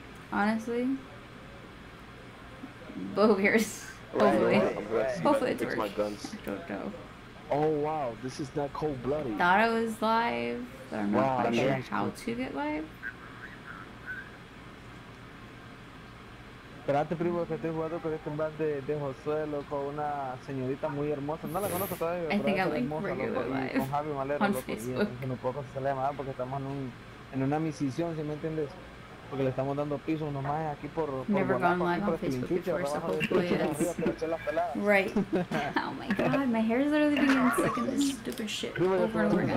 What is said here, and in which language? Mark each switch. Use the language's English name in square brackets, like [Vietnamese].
[English] Honestly. Bow ears. Hopefully. Hopefully it works. I don't know. Oh wow, this is not cold blooded. Thought it was live. But I'm not quite sure how to get live. [Spanish] Esperate, primo, que estoy jugando con este mal de Josué, loco, una señorita muy hermosa. No la conozco todavía, pero es hermosa, loco, y con Javi Malero, loco, Facebook. Y en un poco se sale llamada porque estamos en una misición, si me entiendes, porque le estamos dando piso unos más aquí por [English] Never Gone Live on Facebook before, so hopefully it's... Right. Oh my god, my hair is literally being stuck in this stupid shit over and over again.